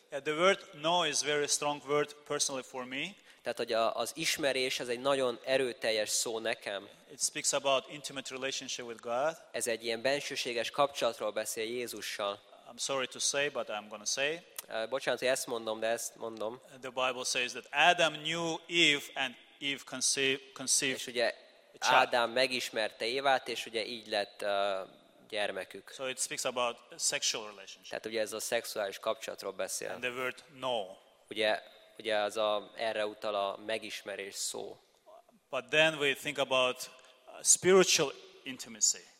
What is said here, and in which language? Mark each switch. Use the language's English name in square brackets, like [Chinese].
[English] Yeah, the word know is very strong word personally for me. [Hungarian] Tehát hogy az ismerés ez egy nagyon erőteljes szó nekem. [English] It speaks about intimate relationship with God. [Hungarian] Ez egy ilyen bensőséges kapcsolatról beszél Jézussal. [English] I'm sorry to say, but I'm gonna say. [Hungarian] Bocsánat, hogy ezt mondom, de ezt mondom. [English] The Bible says that Adam knew Eve and Eve conceived. [Hungarian] És ugye Ádám megismerte Évát, és ugye így lett gyermekük. [English] So it speaks about sexual relationship. [Hungarian] Tehát ugye ez a szexuális kapcsolatról beszél. [English] And the word know. [Hungarian] Ugye az a erre utal a megismerés szó. [English] But then we think about spiritual intimacy.